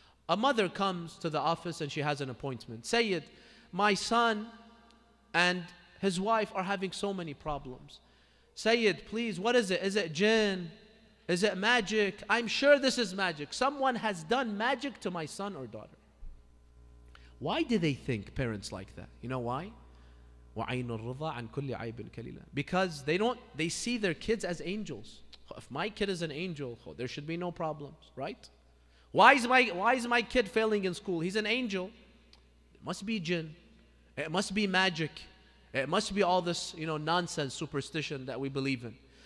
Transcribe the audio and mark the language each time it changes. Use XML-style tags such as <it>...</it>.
<en>A mother comes to the office and she has an appointment. Sayyid, my son and his wife are having so many problems. Sayyid, please, what is it? Is it jinn? Is it magic? I'm sure this is magic. Someone has done magic to my son or daughter. Why do they think parents like that? You know why?</en> <ar>وَعَيْنُ الرِّضَى عَنْ كُلِّ عَيْبٍ كَلِيلًا.</ar> <en>Because they see their kids as angels. If my kid is an angel, there should be no problems, right? Why is my kid failing in school? He's an angel. It must be jinn. It must be magic. It must be all this, you know, nonsense, superstition that we believe in.</en>